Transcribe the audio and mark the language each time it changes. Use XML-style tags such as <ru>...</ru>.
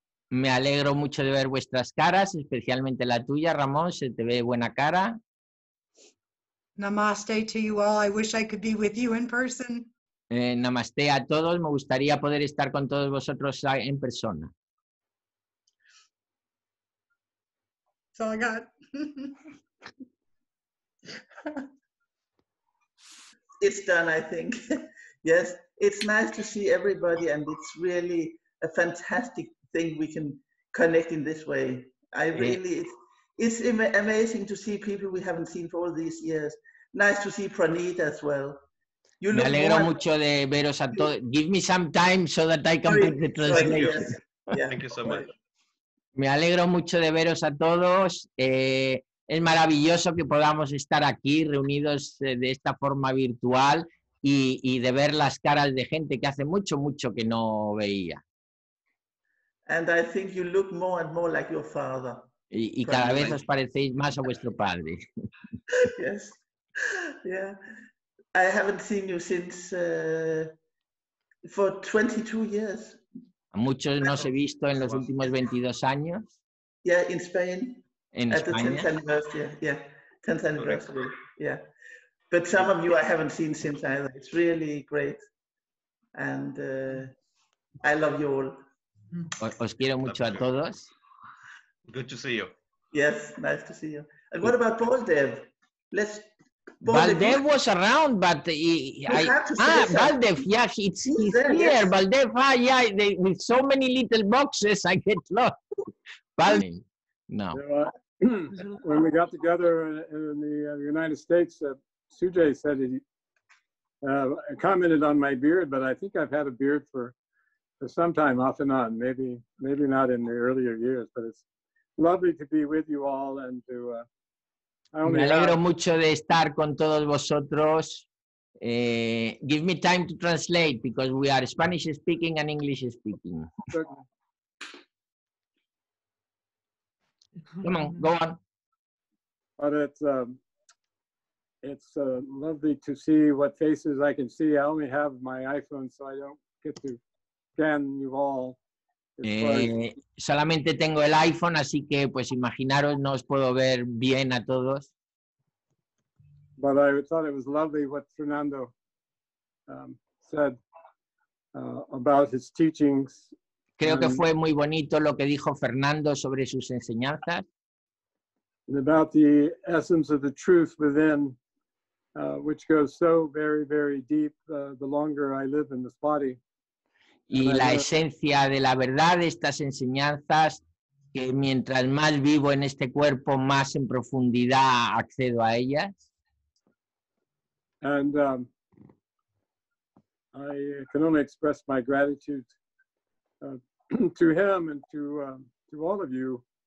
<es>Me alegro mucho de ver vuestras caras, especialmente la tuya, Ramón. Se te ve buena cara.</es> <en>Namaste to you all. I wish I could be with you in person.</en> <es>Namaste a todos. Me gustaría poder estar con todos vosotros en persona.</es> <en>That's all I got. It's done, I think. Yes, it's nice to see everybody, and it's really a fantastic thing we can connect in this way. I really, it's amazing to see people we haven't seen for all these years. Nice to see Praneet as well.</en> <es>You me alegro mucho de veros a todos.</es> <en>Give me some time so that I can put the translation. Thank you, yeah. Thank you so much.</en> <es>Me alegro mucho de veros a todos. Es maravilloso que podamos estar aquí reunidos de esta forma virtual y de ver las caras de gente que hace mucho, mucho que no veía.</es> <en>And I think you look more and more like your father.</en> <es>Y cada vez os parecéis más a vuestro padre.</es> <en>Yes. Yeah. I haven't seen you since for 22 years.</en> <es>A muchos no os he visto en los últimos 22 años.</es> <en>Yeah, in Spain. In at</en> <es>España.</es> <en>The 10th anniversary, yeah. 10th anniversary, correct. Yeah. But some of you I haven't seen since either. It's really great. And I love you all.</en> <es>Os quiero mucho a todos.</es> <en>Good to see you. Yes, nice to see you. And what about Baldev? Baldev was around, but Baldev, yeah, he's there, here. Yes. Baldev, with so many little boxes, I get lost. Baldev, no. Yeah, when we got together in the United States, Sujay said he commented on my beard, but I think I've had a beard for some time, off and on, maybe not in the earlier years, but it's lovely to be with you all and to...</en> <es>Me alegro mucho de estar con todos vosotros.</es> <en>Give me time to translate because we are Spanish speaking and English speaking. Come on, go on. But it's lovely to see what faces I can see. I only have my iPhone, so I don't get to scan you all.</en> <es>Solamente tengo el iPhone, así que pues imaginaros, no os puedo ver bien a todos.</es> <en>But I thought it was lovely what Fernando said about his teachings.</en> <es>Creo que fue muy bonito lo que dijo Fernando sobre sus enseñanzas.</es> <en>About the essence of the truth within, which goes so very, very deep the longer I live in this body.</en> <es>Y la esencia de la verdad de estas enseñanzas, que mientras más vivo en este cuerpo, más en profundidad accedo a ellas.</es> <en>And I can only express my gratitude to him and to all of you.</en>